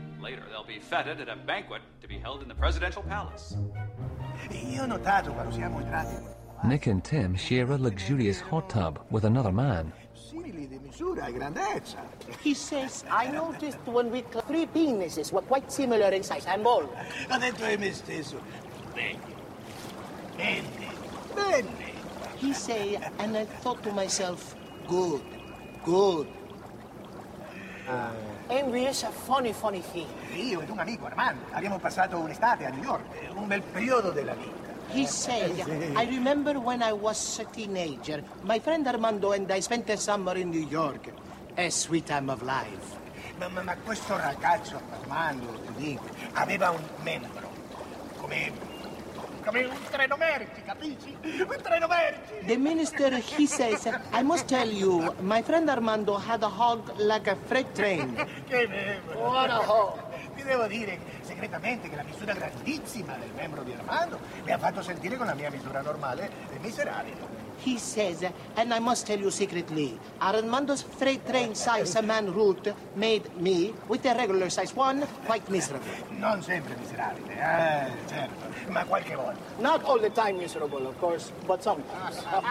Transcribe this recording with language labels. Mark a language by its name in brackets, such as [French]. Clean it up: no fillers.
[English] Later, they'll be feted at a banquet to be held in the presidential palace. Nick and Tim share a luxurious hot tub with another man. He says, I noticed when we three penises were quite similar in size and bulk. [Italian] Ho detto a me stesso, bene, bene, bene. [English] He say, and I thought to myself, good, good. Envy is a funny, funny thing. [Italian] Io ed un amico, Armando, abbiamo passato un'estate a New York, un bel periodo della vita. [English] He said, I remember when I was a teenager, my friend Armando and I spent a summer in New York. A sweet time of life. [Italian] Ma questo ragazzo, Armando, ti dico, aveva un membro. Come un treno merci, capisci? Un treno merci! [English] The minister, he says, I must tell you, my friend Armando had a hog like a freight train. [Italian] Che membro! [English] What a hog! [Italian] Ti devo dire segretamente che la misura grandissima del membro di Armando mi ha fatto sentire con la mia misura normale e miserabile. [English] He says, and I must tell you secretly, Armando's freight train size man route made me, with a regular size one, quite miserable. [Italian] Non sempre miserabile, certo, ma qualche volta. [English] Not all the time miserable, of course, but sometimes.